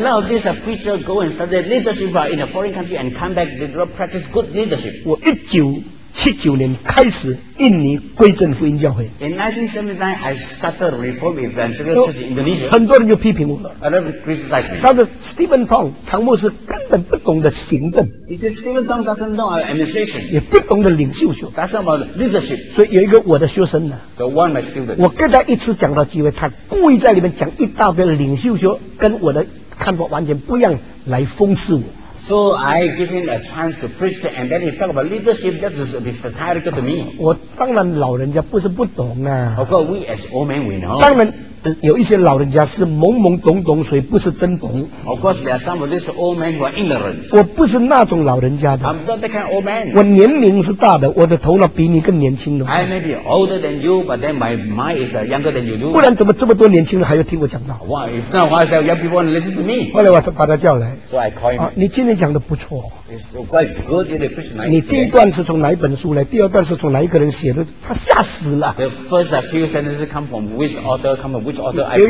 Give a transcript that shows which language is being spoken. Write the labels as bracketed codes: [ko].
[en] A lot of these preachers go and study leadership in a foreign country and come back to practice good leadership. [zh] 我1979年开始印尼归正福音教会。 [en] In 1979, I started Reform Evangelical Church in Indonesia. [zh] 很多人就批评我了。 [en] A lot of criticized me. [zh] 他说 Stephen Tong 唐牧师根本不懂得行政。 [en] He said Stephen Tong doesn't know our administration. [zh] 也不懂得领袖学。 [en] That's about leadership. [zh] 所以有一个我的学生呢。 [en] So one my student. [zh] 我跟他一次讲到机会，他故意在里面讲一大堆领袖学，跟我的看法完全不一样，来讽刺我。 [en] So I give him a chance to preach, and then he talk about leadership. That is a bit satirical to me. [zh] 我当然老人家不是不懂啊。 [en] Of course, we as old men we know. [zh] 当然、有一些老人家是懵懵懂懂，所以不是真懂。 [en] Of course, there are some of these old men who are ignorant. [zh] 我不是那种老人家的。 [en] I'm not that kind of old man. [zh] 我年龄是大的，我的头脑比你更年轻的。 [en] I may be older than you, but then my mind is younger than you do. [zh] 不然怎么这么多年轻人还要听我讲道 [en] ？Why? If not, why should young people listen to me? [zh] 后来我把他叫来。 [en] So I call him.、 [zh] 你今天讲的不错。 [en] Good, [zh] 你第一段是从哪一本书来？第二段是从哪一个人写的？他吓死了。 [en] The first few sentences come from which author? Come from which author? I